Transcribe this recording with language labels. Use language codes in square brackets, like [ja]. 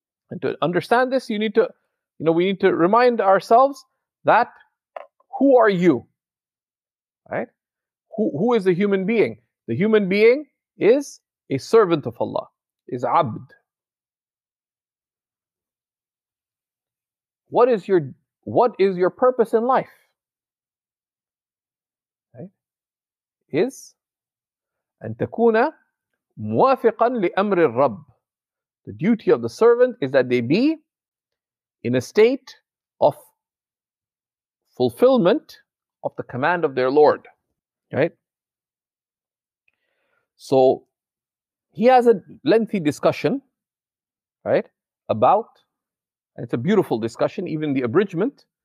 [en] And to understand this, you need to, you know, we need to remind ourselves that who are you? Right? Who is a human being? The human being is a servant of Allah, is abd. What is your purpose in life? Right? [ar] Is أن تكون موافقا لأمر الرب. [en] The duty of the servant is that they be in a state of fulfillment of the command of their Lord. Right? So he has a lengthy discussion, right, about, and it's a beautiful discussion, even the abridgment.